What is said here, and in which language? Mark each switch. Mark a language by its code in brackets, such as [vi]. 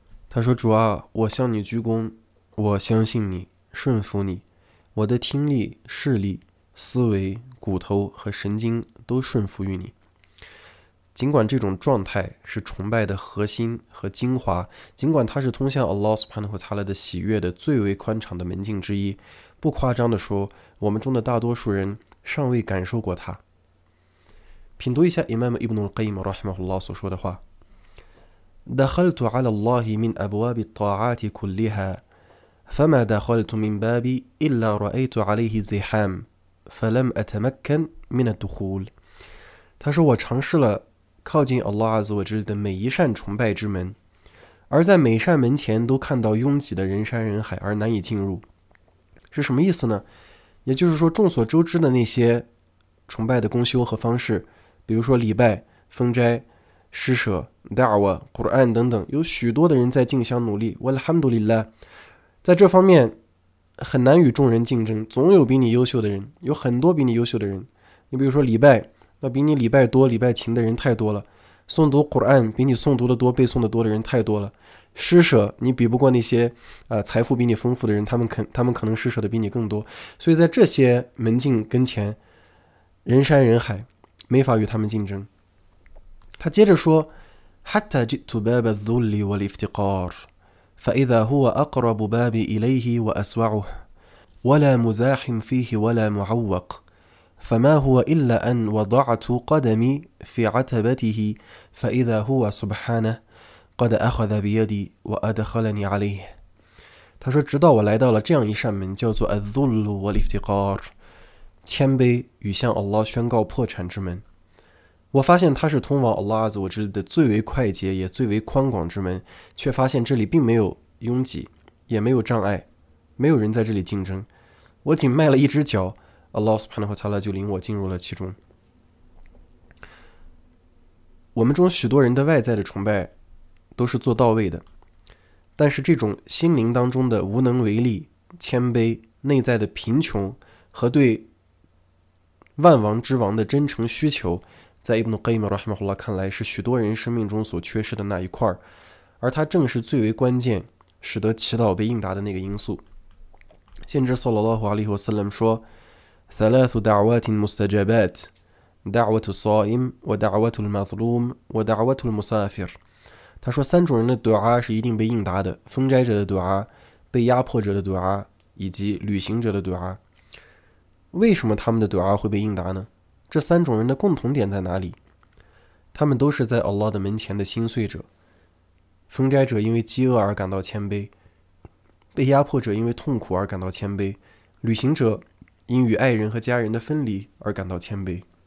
[zh] 他说主啊，我向你鞠躬，我相信你，顺服你，我的听力、视力、思维、骨头和神经都顺服于你。尽管这种状态是崇拜的核心和精华，尽管它是通向 Allah subhanahu wa ta'ala 的喜悦的最为宽敞的门径之一，不夸张地说，我们中的大多数人尚未感受过它。品读一下 [ar] Imam Ibn al-Qayyim rahimahullah [zh] 所说的话： [ar] دخلت على الله من أبواب الطاعات كلها فما دخلت من باب إلا رأيت عليه زحام فلم أتمكن من الدخول。 [zh] 他说我尝试了靠近 Allah Azza wa Jalla 的每一扇崇拜之门，而在每扇门前都看到拥挤的人山人海而难以进入。是什么意思呢？也就是说，众所周知的那些崇拜的功修和方式，比如说礼拜、封斋、施舍、da'wa、 Quran 等等，有许多的人在竞相努力， walhamdulillah， 在这方面很难与众人竞争，总有比你优秀的人，有很多比你优秀的人。你比如说礼拜，那比你礼拜多礼拜勤的人太多了，诵读 Quran 比你诵读的多背诵的多的人太多了，施舍你比不过那些财富比你丰富的人，他们可能施舍的比你更多，所以在这些门径跟前人山人海，没法与他们竞争。他接着说 [ar] حتى جئت باب الذل والافتقار فإذا هو أقرب باب إليه وأسوعه ولا مزاح فيه ولا معوق فما هو إلا أن وضعت قدمي في عتبته فإذا هو سبحانه قد أخذ بيدي وأدخلني عليه。 [zh] 他说直到我来到了这样一扇门，叫做 [ar] الذل والافتقار， [zh] 谦卑与向 Allah 宣告破产之门，我发现它是通往 Allah Azza wa Jalla 的最为快捷也最为宽广之门，却发现这里并没有拥挤，也没有障碍，没有人在这里竞争，我仅迈了一只脚，Allah subhanahu wa ta'ala 就领我进入了其中。我们中许多人的外在的崇拜都是做到位的，但是这种心灵当中的无能为力、谦卑、内在的贫穷和对万王之王的真诚需求，在 Ibn Qayyim rahimahullah 看来是许多人生命中所缺失的那一块，而它正是最为关键使得祈祷被应答的那个因素。先知 [ar] sallallahu alayhi wa sallam [zh] 说 [ar] ثلاث دعوات مستجابات دعوة الصائم ودعوة المظلوم ودعوة المسافر。 [zh] 他说三种人的 دعاء 是一定被应答的，封斋者的 دعاء， 被压迫者的 دعاء， 以及旅行者的 دعاء。为什么他们的 dua 会被应答呢？这三种人的共同点在哪里？他们都是在 Allah 的门前的心碎者。封斋者因为饥饿而感到谦卑，被压迫者因为痛苦而感到谦卑，旅行者因与爱人和家人的分离而感到谦卑。